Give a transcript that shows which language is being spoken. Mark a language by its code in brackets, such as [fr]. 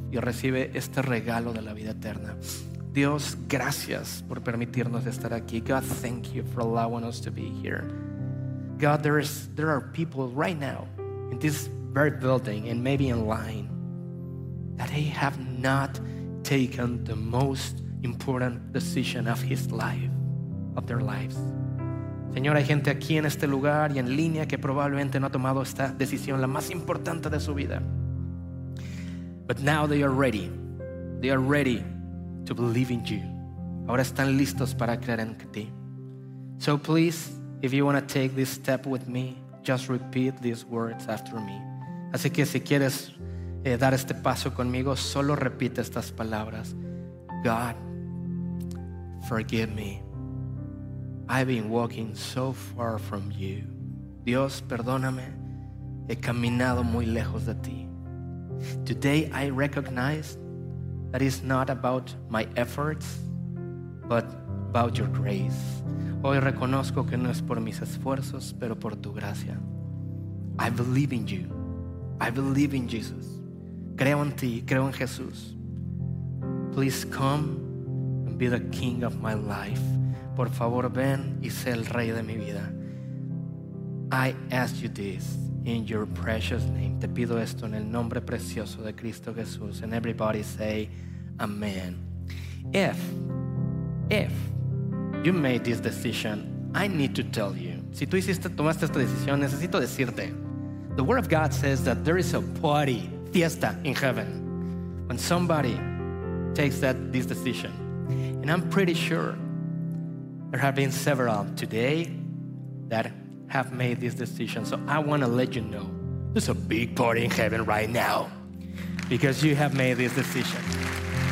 [es] Y recibe este regalo de la vida eterna. Dios, gracias por permitirnos estar aquí. [en] God, thank you for allowing us to be here. God, there are people right now in this very building and maybe in line that they have not taken the most important decision of his life, of their lives. [es] Señor, hay gente aquí en este lugar y en línea que probablemente no ha tomado esta decisión, la más importante de su vida. [en] But now they are ready. They are ready to believe in you. [es] Ahora están listos para creer en ti. [en] So please, if you want to take this step with me, just repeat these words after me. [es] Así que si quieres dar este paso conmigo, solo repite estas palabras. [en] God, forgive me. I've been walking so far from you. [es] Dios, perdóname. He caminado muy lejos de ti. [en] Today I recognize that it's not about my efforts, but about your grace. [es] Hoy reconozco que no es por mis esfuerzos, pero por tu gracia. [en] I believe in you. I believe in Jesus. [es] Creo en ti, creo en Jesús. [en] Please come and be the king of my life. [es] Por favor, ven y sé el rey de mi vida. [en] I ask you this in your precious name. [es] Te pido esto en el nombre precioso de Cristo Jesús. [en] And everybody say, amen. If you made this decision, I need to tell you. [es] Si tú hiciste, tomaste esta decisión, necesito decirte. [en] The word of God says that there is a party, fiesta in heaven, when somebody takes this decision. And I'm pretty sure there have been several today that have made this decision. So I want to let you know, there's a big party in heaven right now because you have made this decision.